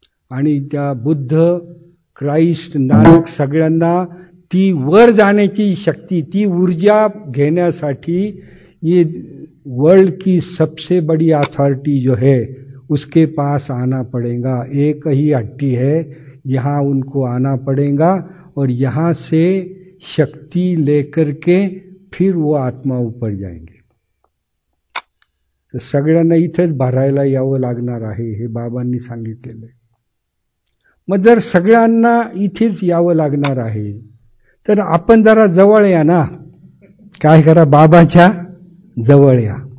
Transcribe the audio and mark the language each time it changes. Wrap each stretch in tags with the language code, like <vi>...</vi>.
<mr>आणि त्या बुद्ध क्राइस्ट नानक सगळ्यांना ती वर जाण्याची शक्ती, ती ऊर्जा घेण्यासाठी</mr> <hi>ये वर्ल्ड की सबसे बड़ी अथॉरिटी जो है उसके पास आना पड़ेगा। एक ही हट्टी है, यहाँ उनको आना पड़ेगा और यहाँ से शक्ति लेकर के फिर वो आत्मा ऊपर जाएंगे।</hi> <mr>तो सगळ्यांना इथेच भरायला यावं लागणार आहे, हे बाबांनी सांगितलेले। मग जर सगळ्यांना इथेच यावं लागणार आहे तर आपण जरा जवळ या ना, काय करा, बाबाच्या जवळ या।</mr>